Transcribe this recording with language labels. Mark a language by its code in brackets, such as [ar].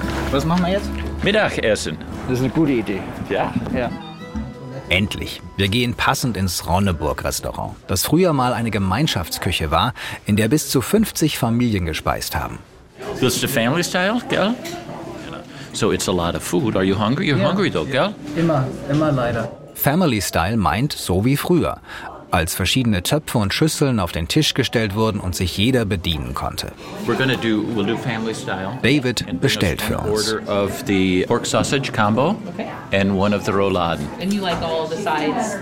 [de] Was machen wir jetzt? Mittagessen. Das ist eine gute Idee. Ja? Ja. Endlich. Wir gehen passend ins Ronneburg-Restaurant, das früher mal eine Gemeinschaftsküche war, in der bis zu 50 Familien gespeist haben. [en] This is the family style, gell? So it's a lot of food. Are you hungry? You're hungry though, gell? [de] Immer leider. Family style meint so wie früher, als verschiedene Töpfe und Schüsseln auf den Tisch gestellt wurden und sich jeder bedienen konnte. [en] We'll do family style. [de] David bestellt für uns. [en] Order of the pork sausage combo and one of the rouladen. And you like all the sides?